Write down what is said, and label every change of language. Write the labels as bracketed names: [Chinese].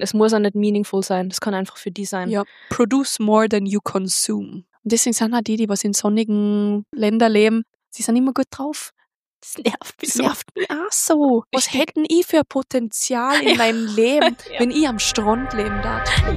[German] Es muss auch nicht meaningful sein. Das kann einfach für die sein. [English] Ja, produce more than you consume. [German] Und deswegen sind auch die, was in sonnigen Ländern leben, sie sind immer gut drauf. Das nervt mich so. Nervt mich auch so. Was hätten ich für Potenzial in meinem Leben, wenn ich am Strand leben darf?